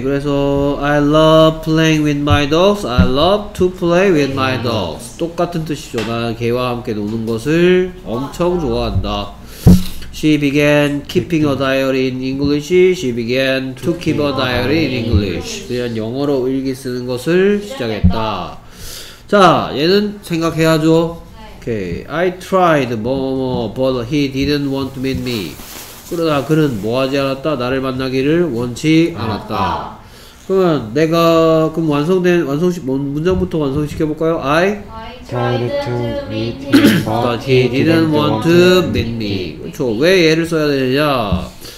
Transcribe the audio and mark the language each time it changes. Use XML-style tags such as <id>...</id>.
<ko>그래서</ko> <en>I love playing with my dogs. I love to play with my dogs.</en> <ko>똑같은 뜻이죠. 난 개와 함께 노는 것을 엄청 좋아한다.</ko> <en>She began keeping a diary in English. She began to keep a diary in English.</en> <ko>그냥 영어로 일기 쓰는 것을 시작했다. 자, 얘는 생각해야죠. 오케이.</ko> <en>I tried</en> <ko>뭐뭐</ko> <en>but he didn't want to meet me.</en> <ko>그러나 그는 뭐하지 않았다. 나를 만나기를 원치 않았다. 그러면 내가 그럼 완성된 문장부터 완성시켜 볼까요?</ko> <en>I tried to meet him but he didn't want to meet me.</en> <ko>그렇죠. 왜 얘를 써야 되냐?</ko>